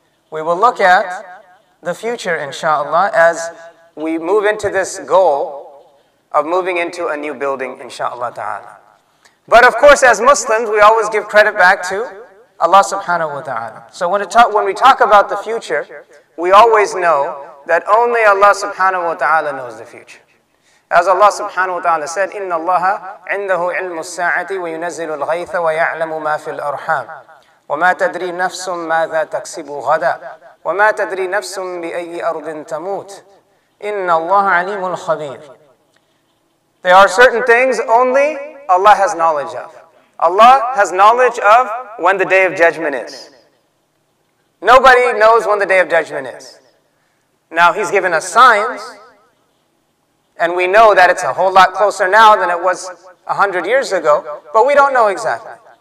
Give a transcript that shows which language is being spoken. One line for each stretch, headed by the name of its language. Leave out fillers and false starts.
English: We will look at the future, inshallah, as we move into this goal of moving into a new building, inshallah ta'ala. But of course, as Muslims, we always give credit back to Allah subhanahu wa ta'ala. So when we talk about the future, we always know that only Allah subhanahu wa ta'ala knows the future. As Allah subhanahu wa ta'ala said,
Arabic: إِنَّ اللَّهَ عِنْدَهُ عِلْمُ السَّاعَةِ وَيُنَزِّلُ الْغَيْثَ وَيَعْلَمُ مَا فِي الْأَرْحَامِ وَمَا تَدْرِي نَفْسٌ مَاذَا تَكْسِبُ غَدًا وَمَا تَدْرِي نَفْسٌ بِأَيِّ أَرْضٍ تَمُوتُ إِنَّ اللَّهَ عَلِيمُ الْخَبِيرُ.
English: There are certain things only Allah has knowledge of. Allah has knowledge of when the Day of Judgment is. Nobody knows when the Day of Judgment is. Now, He's given us signs, and we know that it's a whole lot closer now than it was 100 years ago, but we don't know exactly.